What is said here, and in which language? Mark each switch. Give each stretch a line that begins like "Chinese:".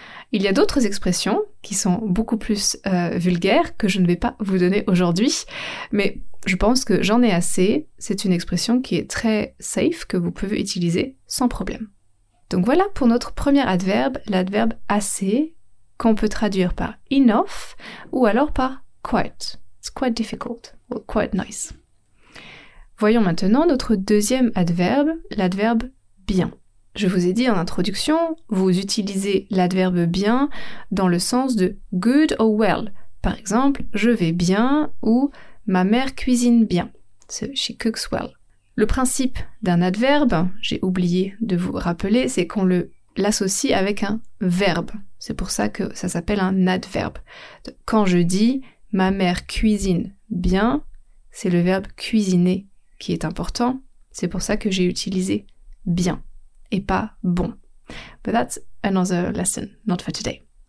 French: Il y a d'autres expressions qui sont beaucoup plus vulgaires que je ne vais pas vous donner aujourd'hui, mais je pense que j'en ai assez, c'est une expression qui est très safe, que vous pouvez utiliser sans problème. Donc voilà pour notre premier adverbe, l'adverbe assez, qu'on peut traduire par enough ou alors par quite.
English: It's quite difficult or quite nice.
French: Voyons maintenant notre deuxième adverbe, l'adverbe bien. Je vous ai dit en introduction, vous utilisez l'adverbe bien dans le sens de
English: good or well.
French: Par exemple, je vais bien ou ma mère cuisine bien.
English: So she cooks well.
French: Le principe d'un adverbe, j'ai oublié de vous rappeler, c'est qu'on l'associe avec un verbe. C'est pour ça que ça s'appelle un adverbe. Quand je dis ma mère cuisine bien, c'est le verbe cuisiner qui est important. C'est pour ça que j'ai utilisé bien et pas bon.
English: But that's another lesson, not for today.